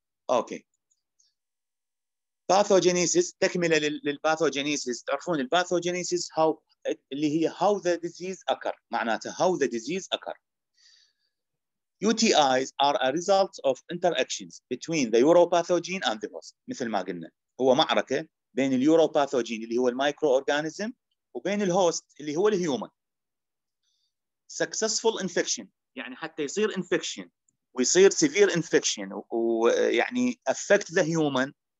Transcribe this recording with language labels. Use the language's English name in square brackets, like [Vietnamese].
[Arabic] اوكي، باثوجينيسيس، تكمله للباثوجينيسيس. تعرفون الباثوجينيسيس [English] how اللي هي how the disease occur, [Arabic] معناته [English] How the disease occur. UTIs are a result of interactions between the uropathogen and the host. [Arabic] مثل ما قلنا هو معركة بين اليوروباثوجين اللي هو المايكرو أورغانيزم وبين الهوست اللي هو الهيومن. [English] Successful infection [Arabic] يعني حتى يصير [English] infection ويصير severe infection ويعني affect the human.